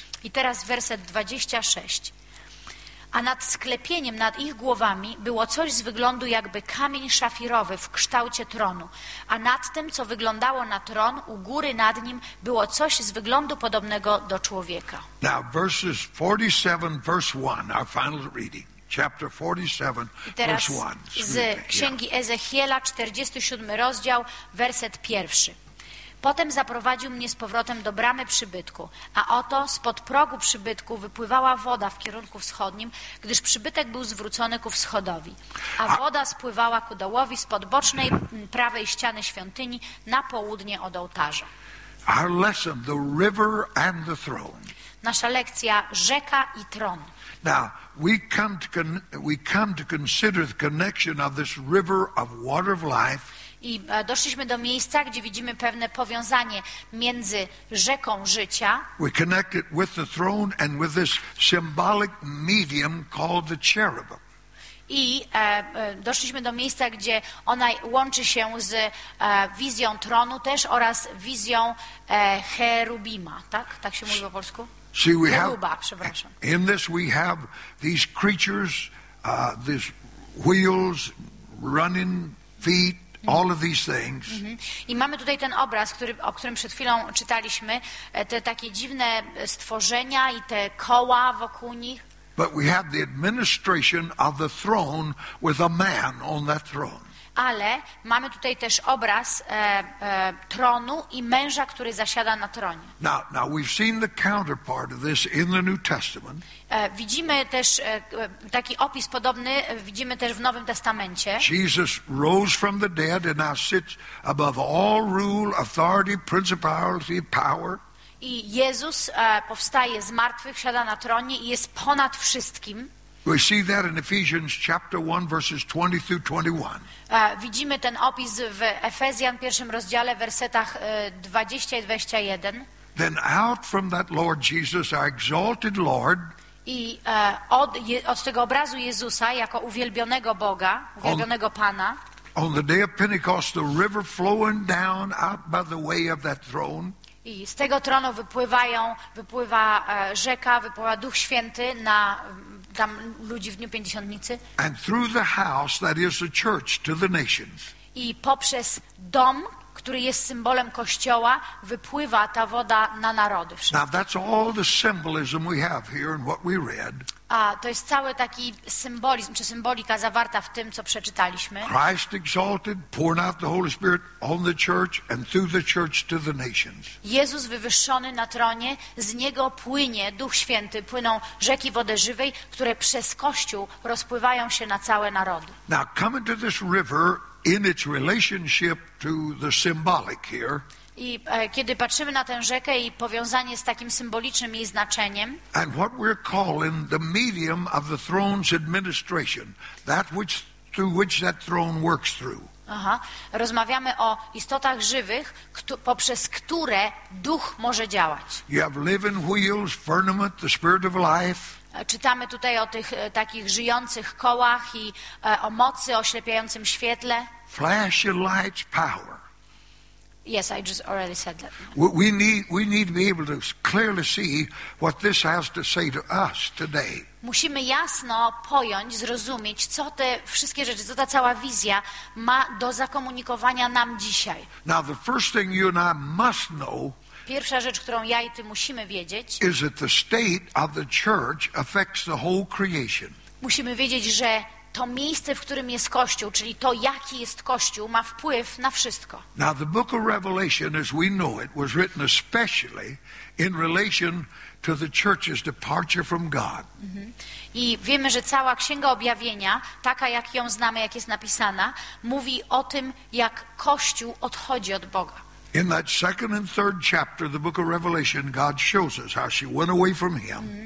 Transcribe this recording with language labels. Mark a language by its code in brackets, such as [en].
[pl] I teraz werset 26. A nad sklepieniem, nad ich głowami, było coś z wyglądu jakby kamień szafirowy w kształcie tronu. A nad tym, co wyglądało na tron, u góry nad nim, było coś z wyglądu podobnego do człowieka. [en] Now, verses 47, verse 1, our final reading. Chapter 47, verse 1. [pl] Z Księgi Ezechiela, 47 rozdział, werset 1. Potem zaprowadził mnie z powrotem do bramy przybytku, a oto spod progu przybytku wypływała woda w kierunku wschodnim, gdyż przybytek był zwrócony ku wschodowi, a woda spływała ku dołowi spod bocznej prawej ściany świątyni na południe od ołtarza. [en] Our lesson, the river and the throne. [pl] Nasza lekcja, rzeka i tron. [en] Now, we come to consider the connection of this river of water of life. [pl] I doszliśmy do miejsca, gdzie widzimy pewne powiązanie między rzeką życia. [en] We connect it with the throne and with this symbolic medium called the cherubim. [pl] I doszliśmy do miejsca, gdzie ona łączy się z wizją tronu też oraz wizją cherubima, tak? Tak się mówi po polsku? [en] See, we [pl] cheruba, [en] have, [pl] przepraszam. [en] In this we have these creatures, these wheels, running feet, all of these things. Mm-hmm. [pl] I mamy tutaj ten obraz, o którym przed chwilą czytaliśmy, te takie dziwne stworzenia i te koła wokół nich. [en] But we have the administration of the throne with a man on that throne. [pl] Ale mamy tutaj też obraz tronu i męża, który zasiada na tronie. [en] Now we've seen the counterpart of this in the New Testament. [pl] Widzimy też taki opis podobny, widzimy też w Nowym Testamencie. [en] Jesus rose from the dead and now sits above all rule, authority, principality, power. [pl] I Jezus powstaje z martwych, siada na tronie i jest ponad wszystkim. [en] We see that in Ephesians chapter 1, verses 20 through 21. [pl] Widzimy ten opis w Efezjan, pierwszym rozdziale, wersetach 20 i 21. [en] Then out from that Lord Jesus, our exalted Lord, [pl] I od tego obrazu Jezusa, jako uwielbionego Boga, uwielbionego Pana, [en] on the day of Pentecost, the river flowing down out by the way of that throne, [pl] i z tego tronu wypływa rzeka, wypływa Duch Święty na tam ludzi w Dniu Pięćdziesiątnicy. [en] And through the house that is the church to the nations. [pl] I poprzez dom, który jest symbolem Kościoła, wypływa ta woda na narody wszystkie. [en] Now that's all the symbolism we have here in what we read. [pl] A to jest cały taki symbolizm czy symbolika zawarta w tym, co przeczytaliśmy. [en] Christ exalted, pouring out the Holy Spirit on the church and through the church to the nations. [pl] Jezus wywyższony na tronie, z niego płynie Duch Święty, płyną rzeki wody żywej, które przez Kościół rozpływają się na całe narody. [en] Now coming to this river in its relationship to the symbolic here. [pl] I kiedy patrzymy na tę rzekę i powiązanie z takim symbolicznym jej znaczeniem. [en] And what we're calling the medium of the throne's administration, that which through which that throne works through. Aha. [pl] Rozmawiamy o istotach żywych, poprzez które duch może działać. [en] You have living wheels, firmament, the spirit of life. [pl] Czytamy tutaj o tych takich żyjących kołach i o mocy, o oślepiającym świetle. [en] Flash of light, power. Yes, I just already said that. We need to be able to clearly see what this has to say to us today. [pl] Musimy jasno pojąć, zrozumieć, co te wszystkie rzeczy, co ta cała wizja ma do zakomunikowania nam dzisiaj. [en] Now the first thing you and I must know. [pl] Pierwsza rzecz, którą ja i ty musimy wiedzieć, [en] is that the state of the church affects the whole creation. [pl] Musimy wiedzieć, że to miejsce, w którym jest Kościół, czyli to, jaki jest Kościół, ma wpływ na wszystko. [en] Now the book of Revelation, as we know it, was written especially in relation to the church's departure from God. [pl] I wiemy, że cała Księga Objawienia, taka jak ją znamy, jak jest napisana, mówi o tym, jak Kościół odchodzi od Boga. [en] In that second and third chapter of the book of Revelation, God shows us how she went away from him.